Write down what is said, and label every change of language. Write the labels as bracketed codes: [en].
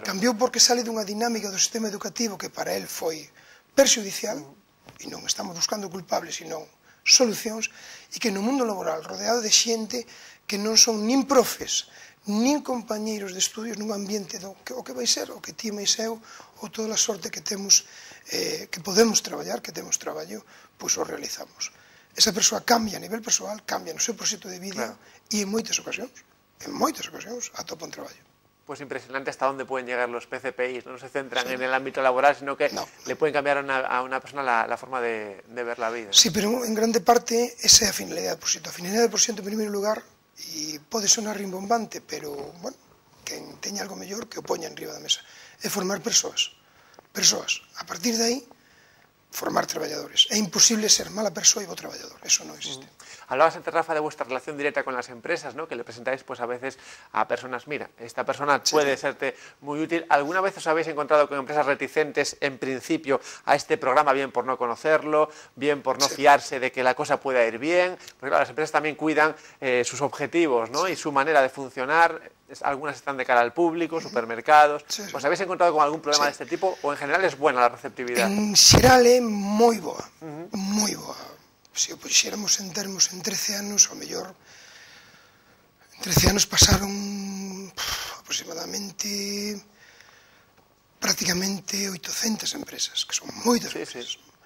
[gl] Cambiou porque sale dunha dinámica do sistema educativo que para el foi perxudicial, e non estamos buscando culpables, sino solucións, e que no mundo laboral, rodeado de xente que non son nin profes, nin compañeiros de estudios nun ambiente do que, o que vai ser, o que ti máis eu, ou toda a sorte que temos, que podemos traballar, que temos traballo, pois o realizamos. Esa persoa cambia a nivel personal, cambia no seu proxecto de vida, claro, e en moitas ocasións, atopa un traballo. [es] Pues impresionante hasta dónde pueden llegar los PCPIs, no se centran, sí, en el ámbito laboral, sino que no, le pueden cambiar a una persona la forma de ver la vida. Sí, pero en grande parte esa es la finalidad del proxecto. La finalidad del proxecto, en primer lugar, y puede sonar rimbombante, pero bueno, quien tenga algo mejor, que lo ponga arriba de la mesa, es formar personas. Personas. A partir de ahí, formar trabajadores. Es imposible ser mala persona y buen trabajador. Eso no existe. Mm. Hablabas antes, Rafa, de vuestra relación directa con las empresas, ¿no? Que le presentáis pues a veces a personas, mira, esta persona puede, sí, serte muy útil. ¿Alguna vez os habéis encontrado con empresas reticentes en principio a este programa, bien por no conocerlo, bien por no, sí, fiarse de que la cosa pueda ir bien? Porque claro, las empresas también cuidan sus objetivos, ¿no? Sí. Y su manera de funcionar. Algunas están de cara al público, supermercados. Sí. ¿Os habéis encontrado con algún problema, sí, de este tipo? ¿O en general es buena la receptividad? En general es muy boa, muy boa. [gl] Se o puxéramos en termos en 13 anos, ao mellor, en 13 anos pasaron aproximadamente prácticamente 800 empresas, que son moitas, sí, empresas. Sí.